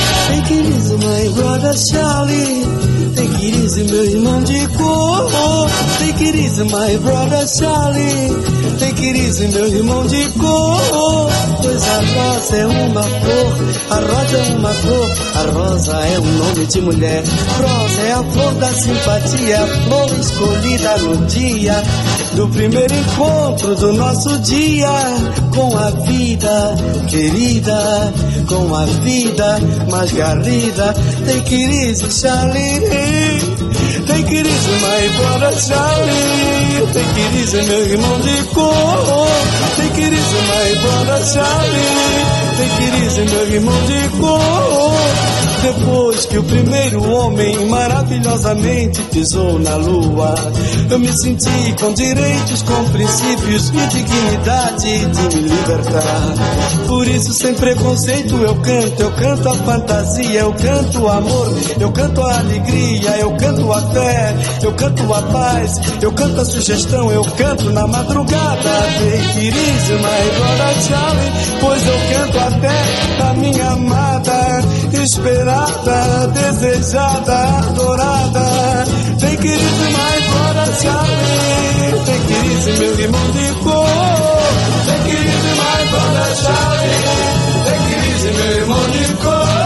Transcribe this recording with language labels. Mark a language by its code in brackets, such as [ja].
[en] Take it easy, my brother Charlie. Take it easy, [pt] meu irmão de cor. [en] Take it easy, my brother Charlie. Take it easy, [pt] meu irmão de cor. Pois a rosa é uma flor, a rosa é uma flor. A rosa é um nome de mulher. Rosa é a flor da simpatia, flor escolhida no dia do primeiro encontro do nosso dia. Com a vida, querida, com a vida mais garrida. [en] Take it easy, Charlie. Take it easy, my brother Charlie. Take it easy, [pt] meu irmão de cor. [en] Take it easy, my brother Charlie. Take it easy, [pt] meu irmão de cor. Depois que o primeiro homem maravilhosamente pisou na lua, eu me senti com direitos, com princípios e dignidade de me libertar. Por isso, sem preconceito, eu canto a fantasia, eu canto o amor, eu canto a alegria, eu canto a fé, eu canto a paz, eu canto a sugestão, eu canto na madrugada. [en] Take it easy, my brother Charlie, [pt] pois eu canto até a minha amada, esperada, desejada, adorada. [en] Take it easy, my brother Charlie. Take it easy, [pt] meu irmão de cor. [en] Take it easy, my brother Charlie. Take it easy, [pt] meu irmão de cor.